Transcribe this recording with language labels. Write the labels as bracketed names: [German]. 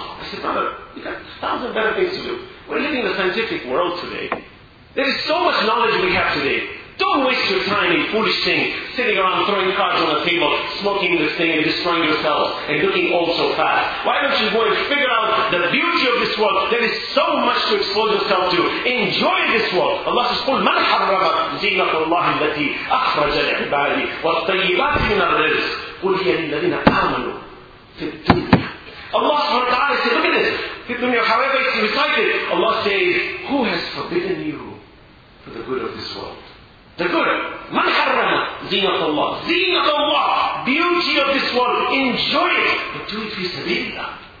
[English] I said, brother, you got thousands of better things to do. We're living in the scientific world today. There is so much knowledge we have today. Don't waste your time in foolish things, sitting around throwing cards on the table, smoking this thing and destroying yourself, and looking old so fast. Why don't you go and figure out the beauty of this world? There is so much to expose yourself to. Enjoy this world. Allah says, [Arabic] قُلْ مَنْ حَرَّمَ زِينَةُ اللَّهِ الَّتِي أَخْرَجَ الْعِبَادِ وَالطَّيِّبَاتِ مِنَ الرِّزْقِ قُلْ هِيَ لِلَّذِينَ آمَنُوا فِي الدُّنْيَا. [English] Allah subhanahu wa ta'ala says, look at this. The dunya, however it's recited, Allah says, who has forbidden you for the good of this world? The good. [Arabic] Man harrama zinatullah. [English] Zinatullah. Beauty of this world. Enjoy it. But do it fi sabilillah.